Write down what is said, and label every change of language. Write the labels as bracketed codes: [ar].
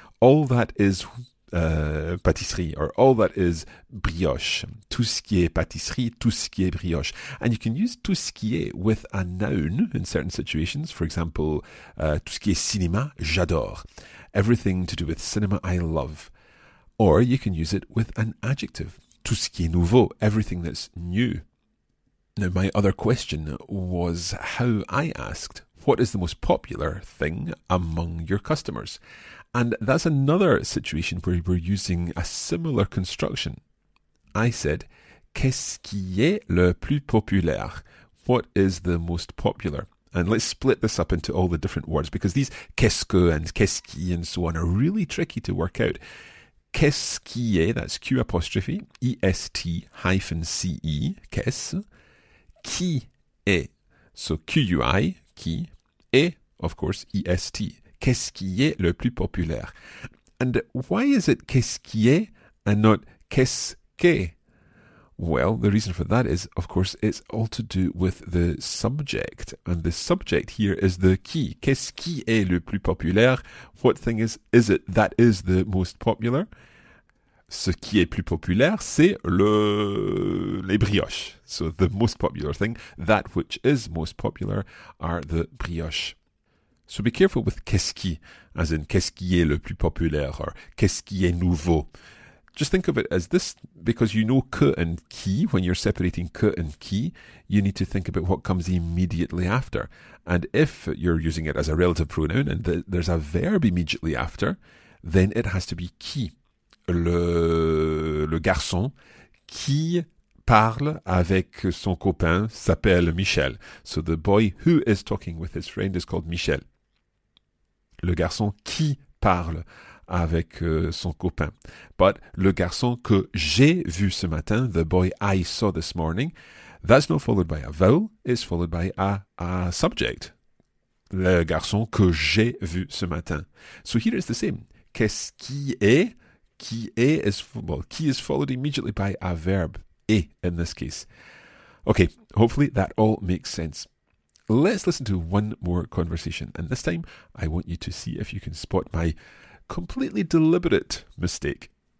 [en] All that is pâtisserie, or all that is brioche. [fr] Tout ce qui est pâtisserie, tout ce qui est brioche. [en] And you can use tout ce qui est with a noun in certain situations. For example, [fr] tout ce qui est cinéma, j'adore. [en] Everything to do with cinema, I love. Or you can use it with an adjective. [fr] Tout ce qui est nouveau, [en] everything that's new. Now, my other question was how I asked, what is the most popular thing among your customers? And that's another situation where we're using a similar construction. I said, [fr] qu'est-ce qui est le plus populaire? [en] What is the most popular? And let's split this up into all the different words, because these qu'est-ce que and qu'est-ce qui and so on are really tricky to work out. Qu'est-ce qui est, that's Q apostrophe, E-S-T hyphen C-E, qu'est-ce, qui est, so Q-U-I, qui, et, of course, E-S-T, [fr] qu'est-ce qui est le plus populaire. [en] And why is it [fr] qu'est-ce qui est [en] and not qu'est-ce que? Well, the reason for that is, of course, it's all to do with the subject. And the subject here is the qui. [fr] Qu'est-ce qui est le plus populaire? [en] What thing is it that is the most popular? [fr] Ce qui est plus populaire, c'est les brioches. [en] So the most popular thing, that which is most popular, are the brioches. So be careful with qu'est-ce qui, as in [fr] qu'est-ce qui est le plus populaire, [en] or [fr] qu'est-ce qui est nouveau. [en] Just think of it as this, because you know que and qui, when you're separating que and qui, you need to think about what comes immediately after. And if you're using it as a relative pronoun and there's a verb immediately after, then it has to be qui. [fr] Le garçon qui parle avec son copain s'appelle Michel. [en] So the boy who is talking with his friend is called Michel. [fr] Le garçon qui parle avec son copain. [en] But [fr] le garçon que j'ai vu ce matin, [en] the boy I saw this morning, that's not followed by a vowel, it's followed by a subject. [fr] Le garçon que j'ai vu ce matin. [en] So here it's the same. [fr] Qu'est-ce qui est? [en] Qui est is, well, qui is followed immediately by a verb, est in this case. Okay, hopefully that all makes sense. Let's listen to one more conversation, and this time I want you to see if you can spot my completely deliberate mistake.